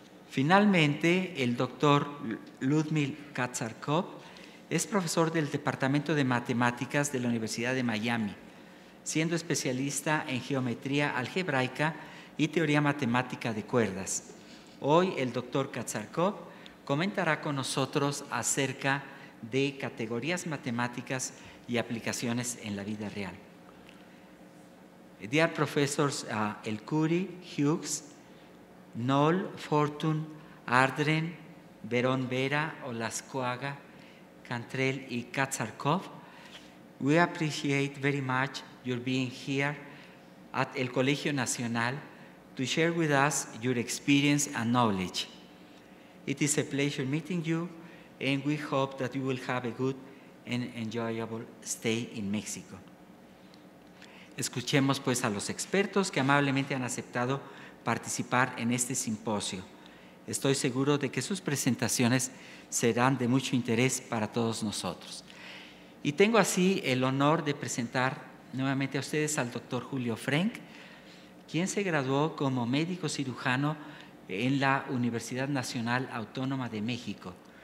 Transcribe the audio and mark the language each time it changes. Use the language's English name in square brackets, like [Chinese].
[Spanish] Finalmente, el doctor Ludmil Katsarkov es profesor del Departamento de Matemáticas de la Universidad de Miami, siendo especialista en geometría algebraica y teoría matemática de cuerdas. Hoy el doctor Katsarkov comentará con nosotros acerca de categorías matemáticas y aplicaciones en la vida real. [English] Dear professors El Khoury, Hughes, Noll, Fortune, Ardren, Verón Vera, Olascoaga, Cantrell y Katsarkov, we appreciate very much your being here at El Colegio Nacional to share with us your experience and knowledge. It is a pleasure meeting you, and we hope that you will have a good and enjoyable stay in Mexico. [Spanish] Escuchemos pues a los expertos que amablemente han aceptado participar en este simposio. Estoy seguro de que sus presentaciones serán de mucho interés para todos nosotros. Y tengo así el honor de presentar nuevamente a ustedes al doctor Julio Frenk, quien se graduó como médico cirujano en la Universidad Nacional Autónoma de México.